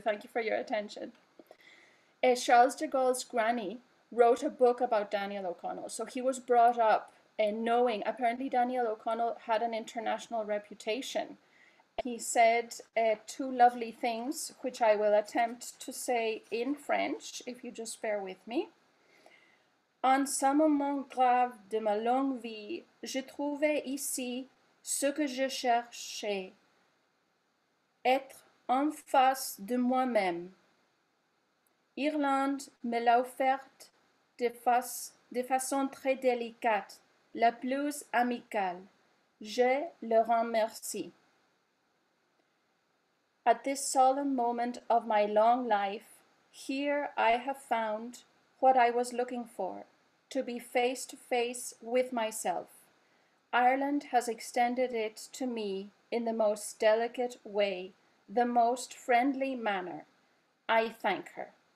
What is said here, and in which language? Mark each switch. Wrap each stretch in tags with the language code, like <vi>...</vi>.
<en>Thank you for your attention. Charles de Gaulle's granny wrote a book about Daniel O'Connell. So he was brought up knowing, apparently Daniel O'Connell had an international reputation. He said two lovely things, which I will attempt to say in French, if you just bear with me.</en> <fr>En ce moment grave de ma longue vie, je trouvais ici ce que je cherchais, être en face de moi-même. Irlande me l'a offerte de façon très délicate, la plus amicale. Je le remercie.</fr> <en>At this solemn moment of my long life, here I have found what I was looking for, to be face to face with myself. Ireland has extended it to me in the most delicate way, the most friendly manner. I thank her.</en>